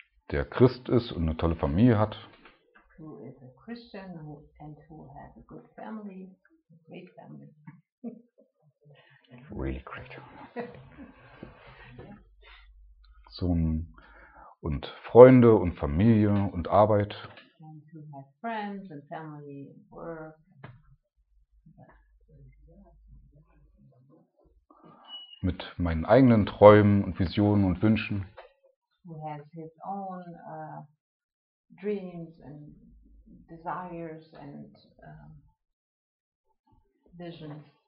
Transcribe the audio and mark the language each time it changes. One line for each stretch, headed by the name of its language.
German: Der Christ ist und eine tolle Familie hat.
English: Who is a Christian and who has a good family, a great family. Really great.
German: So, und Freunde und Familie und Arbeit.
English: Friends and family and work.
German: Mit meinen eigenen Träumen und Visionen und Wünschen.
English: He has his own dreams and desires and visions.